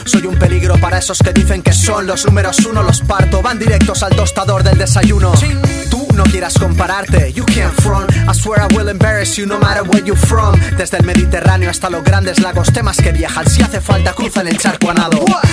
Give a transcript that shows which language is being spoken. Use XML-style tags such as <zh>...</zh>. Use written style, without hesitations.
<es>Soy un peligro para esos que dicen que son los números uno. Los parto, van directos al tostador del desayuno. Tú no quieras compararte,</es> <en>you can't front. I swear I will embarrass you no matter where you from.</en> <es>Desde el Mediterráneo hasta los grandes lagos, temas que viajan, si hace falta cruzan el charco a nado.</es>